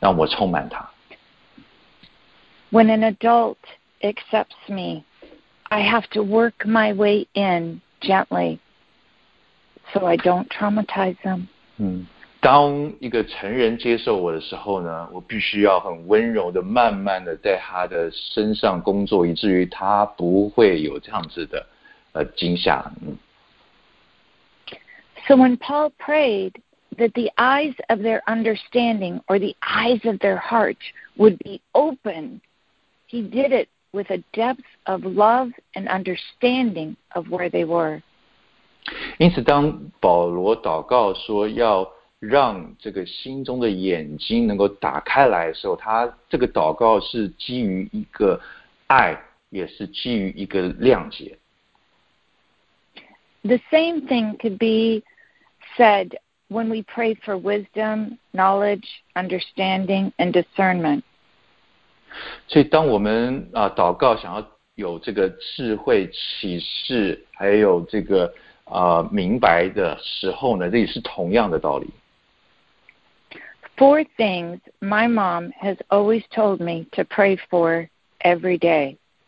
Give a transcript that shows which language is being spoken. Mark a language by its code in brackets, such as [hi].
[zh] 但是孩子，当他们接受我的时候，他们马上就把心打开来了，就让我进来，让我充满他。 [en] When an adult accepts me, I have to work my way in gently so I don't traumatize them. [zh] 当一个成人接受我的时候呢，我必须要很温柔的、慢慢的在他的身上工作，以至于他不会有这样子的惊吓。 [en] So when Paul prayed that the eyes of their understanding or the eyes of their heart would be open, he did it with a depth of love and understanding of where they were. [zh] 因此，当保罗祷告说要 让这个心中的眼睛能够打开来的时候，他这个祷告是基于一个爱，也是基于一个谅解。 [en] The same thing could be said when we pray for wisdom, knowledge, understanding, and discernment. [zh] 所以当我们祷告想要有这个智慧启示，还有这个明白的时候呢，这也是同样的道理。 [en] Four things my mom has always told me to pray for every day.